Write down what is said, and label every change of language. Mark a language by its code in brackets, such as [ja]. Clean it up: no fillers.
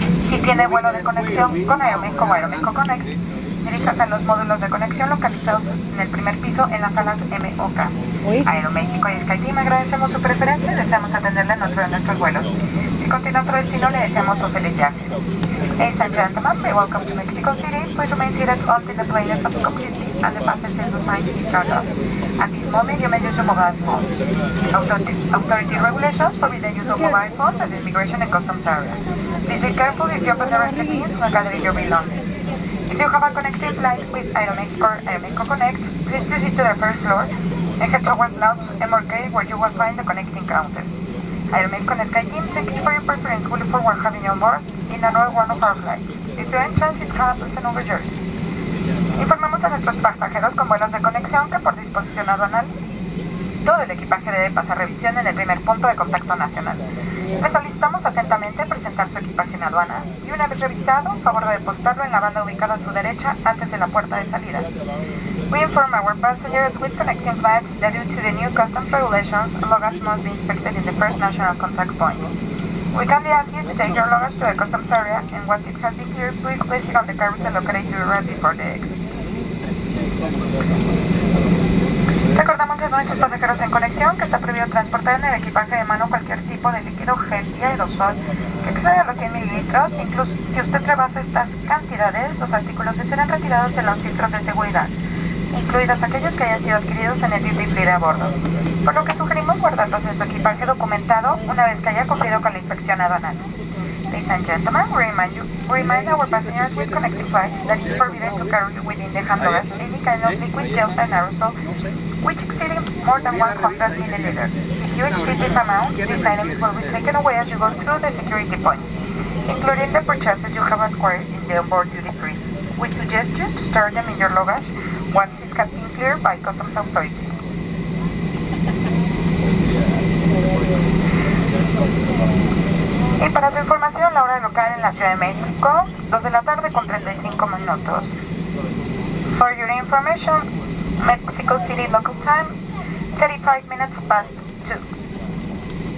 [es] Si tiene vuelo de conexión con Aeroméxico o Aeroméxico Connect, diríjase a los módulos de conexión localizados en el primer piso en las salas MOK. Aeroméxico y SkyTeam agradecemos su preferencia y deseamos atenderle en otro de nuestros vuelos. Si continúa otro destino, le deseamos un feliz viaje. [en] Ladies and gentlemen, we welcome to Mexico City. Please remain seated until the plane is completely and the passengers assigned to start off. At this moment, you may use your mobile phone. Authority regulations forbid the use of mobile phones at the immigration and customs area. Please be careful if you open the restrooms or gathering your belongings. If you have a connected flight with Aeroméxico or Aeroméxico Connect, please proceed to the first floor and head towards lounge MRK where you will find the connecting counters. Aeroméxico and SkyTeam, thank you for your preference. We look forward to having you on board in another one of our flights. If you're in transit, call us and over here. [es] Informamos a nuestros pasajeros con vuelos de conexión que por disposición aduanal todo el equipaje debe pasar revisión en el primer punto de contacto nacional. Les solicitamos atentamente presentar su equipaje en aduana y una vez revisado, favor de depositarlo en la banda ubicada a su derecha antes de la puerta de salida. [en] We inform our passengers with connecting flights that due to the new customs regulations, luggage must be inspected in the first national contact point. We kindly ask you to take your luggage to the customs area and once it has been cleared, please place it on the carousel located to arrive before the exit. [es] Recordamos a nuestros pasajeros en conexión que está prohibido transportar en el equipaje de mano cualquier tipo de líquido, gel y aerosol que exceda los 100 mililitros. Incluso si usted rebasa estas cantidades, los artículos serán retirados en los filtros de seguridad, incluidos aquellos que hayan sido adquiridos en el duty free de a bordo. Por lo que sugerimos guardarlos en su equipaje documentado una vez que haya cumplido con la inspección aduanal. [en] Ladies and gentlemen, remind our passengers with connecting flights that it is forbidden to carry within the hand luggage any kind of liquid gel and aerosol, which exceeding more than 100 milliliters. If you exceed this amount, these items will be taken away as you go through the security points, including the purchases you have acquired in the onboard duty free. We suggest you to store them in your luggage once it has been cleared by customs authorities. [es] Y para su información, la hora local en la Ciudad de México, 2:35 p.m. [en] For your information, Mexico City local time, 2:35 p.m.